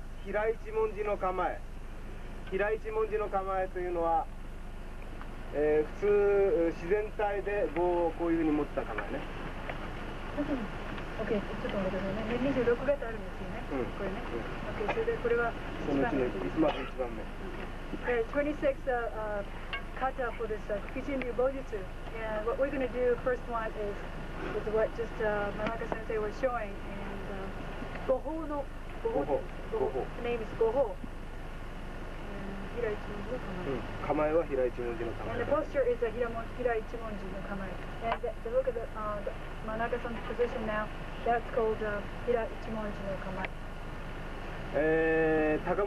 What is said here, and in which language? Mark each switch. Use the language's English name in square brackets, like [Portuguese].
[Japanese] あの、日本の刀のうちの一つ、五方というやつ、いつもやってるやつだから知ってる人もいると思うんだけどね。これは平一文字の構え。平一文字の構えというのは、普通自然体で棒をこういうふうに持った構えね。オッケー、ちょっと待ってくださいね。26型あるんですよね。これね。オッケー、それでこれは1番目。26 [English] 型 for this Kichin Ryubojutsu. And what we're going to do first one is what just Manaka sensei was showing. And Goho no... Goho. The name is Goho. [Japanese] うん、構えは平一文字の構え。 [English] And the posture is a 平一文字の構え。 And the look at the, the Manaka-san's position now, that's called 平一文字の構え。